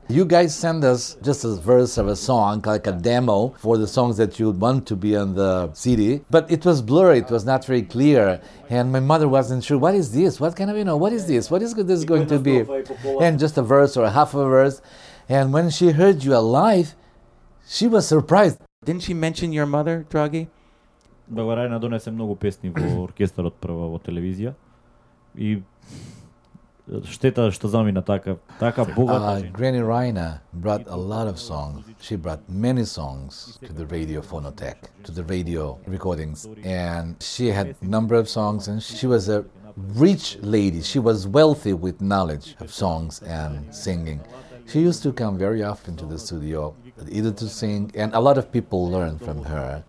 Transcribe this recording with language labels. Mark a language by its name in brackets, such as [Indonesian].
[English] You guys send us just a verse of a song, like a demo for the songs that you want to be on the CD. But it was blurry. It was not very clear. And my mother wasn't sure, what is this? What kind of, you know, what is this? What is this going to be? And just a verse or a half of a verse. And when she heard you alive, she was surprised. Didn't she mention your mother, Draghi? [Macedonian] Благодарен, донесе многу песни во оркестарот прва во телевизија. И штета што замина така богата жена. [English] Granny Raina brought a lot of songs. She brought many songs to the radio phonotech, to the radio recordings. And she had number of songs and she was a rich lady. She was wealthy with knowledge of songs and singing. She used to come very often to the studio, either to sing, and a lot of people learned from her.